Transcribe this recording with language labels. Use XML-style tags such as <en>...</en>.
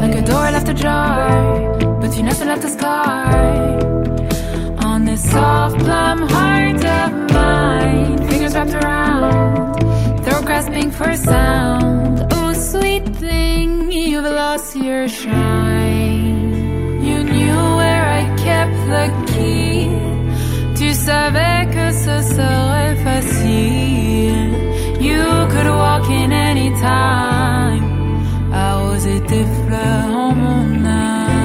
<en>Like a door left ajar, but you never left a scar on this soft plum heart of mine. Fingers wrapped around, throat grasping for sound. Oh sweet thing, you've lost your shine. You knew where I kept the key.</en> <fr>Tu savais que ce serait facile.</fr> <en>You could walk in any time.</en> <fr>Arroser tes fleurs en mon âme.</fr>